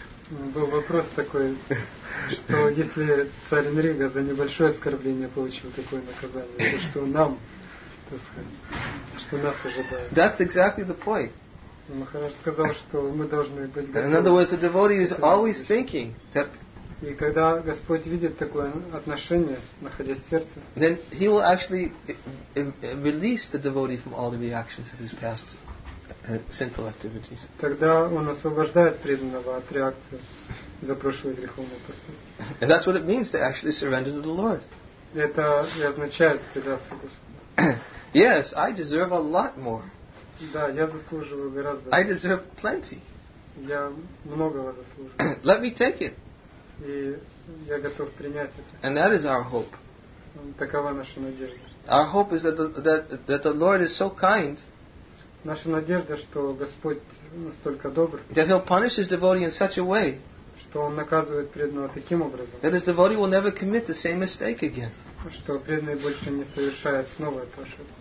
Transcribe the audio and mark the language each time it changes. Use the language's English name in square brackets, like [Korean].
[Russian] Был вопрос такой, что если царь Нрига за небольшое оскорбление получил такое наказание, то что нам, так сказать, что нас ожидает? [English] That's exactly the point. [Russian] Махарадж сказал, что мы должны быть готовы. [English] In other words, the devotee is always thinking that. [Russian] И когда Господь видит такое отношение, находясь в сердце, [English] then he will actually release the devotee from all the reactions of his past sinful activities. [Russian] Тогда он освобождает преданного от реакции за прошлые греховные поступки. [English] And that's what it means to actually surrender to the Lord. [Russian] Это и означает предаться Господу. [English] Yes, I deserve a lot more. [Russian] Да, я заслуживаю гораздо. [English] I deserve plenty. [Russian] Я многого заслуживаю. [English] Let me take it. [Russian] И я готов принять это. [English] And that is our hope. [Russian] Такова наша надежда. [English] Our hope is that the Lord is so kind. [Russian] Наша надежда, что Господь настолько добр, [English] that he'll punish his devotee in such a way, [Russian] что он наказывает преданного таким образом, [English] that his devotee will never commit the same mistake again. [Russian] Что преданный больше не совершает снова эту ошибку.